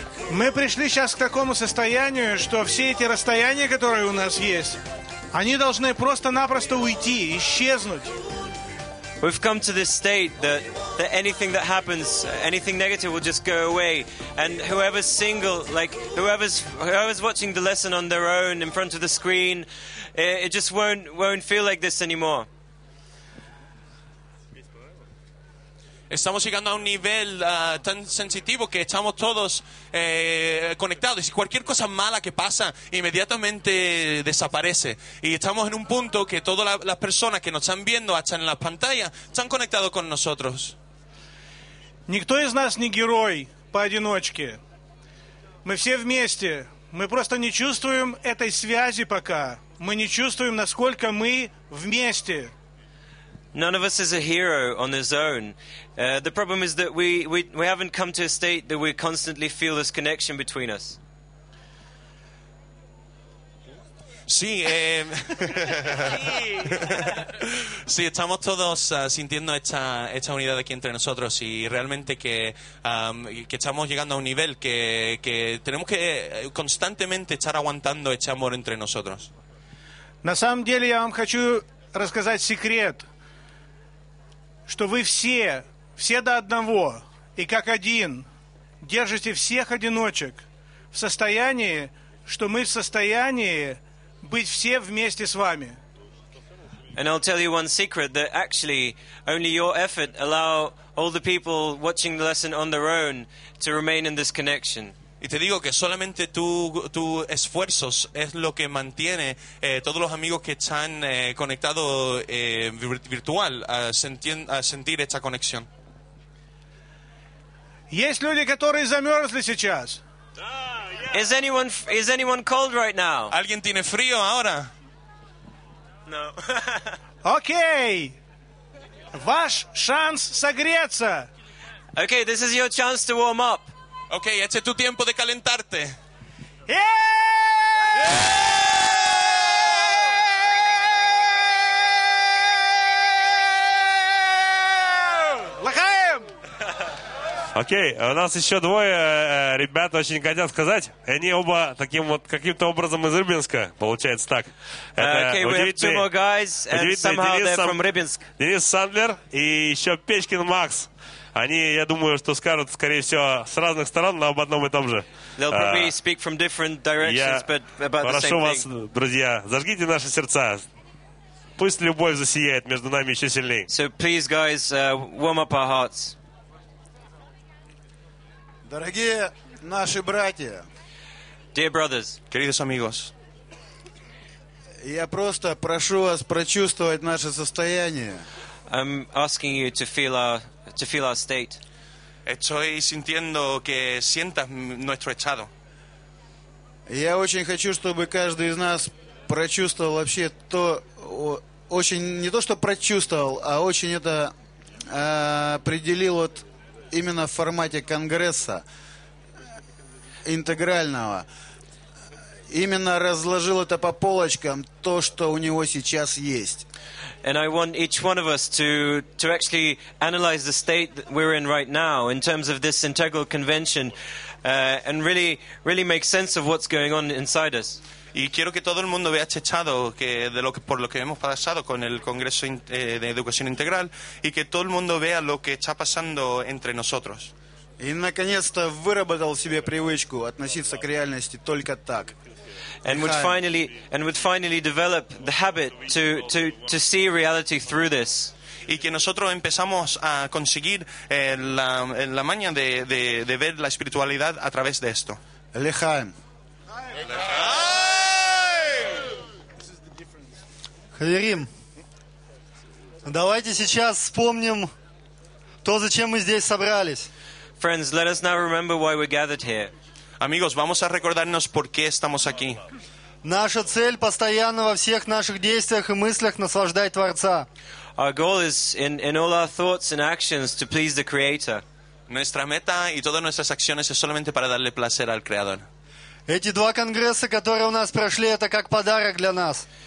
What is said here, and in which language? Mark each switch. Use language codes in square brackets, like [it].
[ru] Мы пришли сейчас к такому состоянию, что все эти расстояния, которые у нас есть, они должны просто-напросто уйти, исчезнуть. [en] We've come to this state that anything that happens, anything negative will just go away. And whoever's single, like whoever's watching the lesson on their own in front of the screen, it just won't feel like this anymore. [es] Estamos llegando a un nivel tan sensitivo que estamos todos conectados. Y cualquier cosa mala que pasa, inmediatamente desaparece. Y estamos en un punto que todas las personas que nos están viendo, hasta en las pantallas, están conectados con nosotros. [ru] Никто из нас не герой поодиночке. Мы все вместе. Мы просто не чувствуем этой связи пока. Мы не чувствуем, насколько мы вместе. [en] None of us is a hero on his own. The problem is that we haven't come to a state that we constantly feel this connection between us. [es] Sí, sí, estamos todos sintiendo esta unidad aquí entre nosotros y realmente que estamos llegando a un nivel que tenemos que constantemente estar aguantando este amor entre nosotros. [ru] На самом деле я вам хочу рассказать секрет, что вы все до одного и как один держите всех одиночек в состоянии, что мы в состоянии быть все вместе с вами. [en] And I'll tell you one secret, that actually only your effort allow all the people watching the lesson on their own to remain in this connection. [es] Y te digo que solamente tu esfuerzos es lo que mantiene todos los amigos que están conectados virtual a sentir esta conexión. [ru] Есть люди, которые замерзли сейчас. [en] Is anyone cold right now? [es] ¿Alguien tiene frío ahora? No. [en] Okay. [ru] Ваш шанс согреться. [en] Okay, this is your chance to warm up. [es] Okay, este es tu tiempo de calentarte. [en] Yeah! Yeah! Лахаем! [ru] Окей, у нас еще двое ребят очень хотят сказать. Они оба таким вот каким-то образом из Рыбинска, получается так. Окей, [en] we have two more guys, and somehow they're from Рыбинск. [ru] Денис Сандлер и еще Печкин Макс. Они, я думаю, что скажут, скорее всего, с разных сторон, но об одном и том же. [en] They'll probably speak from different directions, but about the same thing. [ru] Прошу вас, друзья, зажгите наши сердца. Пусть любовь засияет между нами еще сильнее. [en] So please, guys, warm up our hearts. [ru] Дорогие наши братья. [en] Dear brothers. [es] Queridos amigos. [ru] Я просто прошу вас прочувствовать наше состояние. [en] I'm asking you to feel our state. [es] Estoy sintiendo que sientas nuestro estado. [ru] Я очень хочу, чтобы каждый из нас прочувствовал вообще то, очень не то, что прочувствовал, а очень это определил вот именно в формате конгресса интегрального. Именно разложил это по полочкам, то, что у него сейчас есть. [en] And I want each one of us to actually analyze the state that we're in right now in terms of this integral convention and really, really make sense of what's going on inside us. [es] Y quiero que todo el mundo vea este estado por lo que hemos pasado con el Congreso de Educación Integral y que todo el mundo vea lo que está pasando entre nosotros. [ru] И наконец-то выработал себе привычку относиться к реальности только так. [en] And would finally develop the habit to see reality through this. [es] Y que nosotros empezamos a conseguir la maña de ver la espiritualidad a través de esto. [he] Lechaim. Хаверим. [ru] Давайте сейчас вспомним то, зачем мы здесь собрались. [en] Friends, let us now remember why we're gathered here. [es] Amigos, vamos a recordarnos por qué estamos aquí. [ru] Наша цель постоянно во всех наших действиях и мыслях наслаждать Творца. [en] Our goal is in all our thoughts and actions to please the Creator. [es] Nuestra meta y todas nuestras acciones es solamente para darle placer al Creador. [ru] Эти два конгресса, которые у нас прошли, это как подарок для нас.